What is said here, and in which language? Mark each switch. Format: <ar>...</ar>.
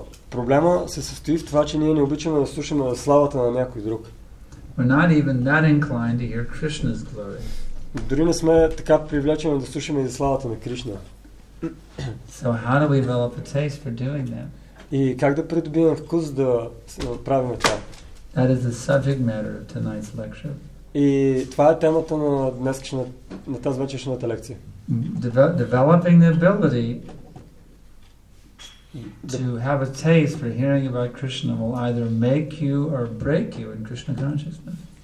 <bg>Проблема се състои в това, че ние не обичаме да слушаме славата на някой друг.</bg> <en>We're not even that inclined to hear Krishna's glory.</en> <bg>Дори не сме така привлечени да слушаме и славата на Кришна.</bg> <en>So how do we develop a taste for doing that?</en> <bg>И как да придобием вкус да правим това?</bg> <en>That is the subject matter of tonight's lecture.</en> <bg>И това е темата на днешната тази вечершната лекция.</bg> <en>Developing the ability to have a taste for hearing about Krishna will either make you or break you in Krishna consciousness.</en>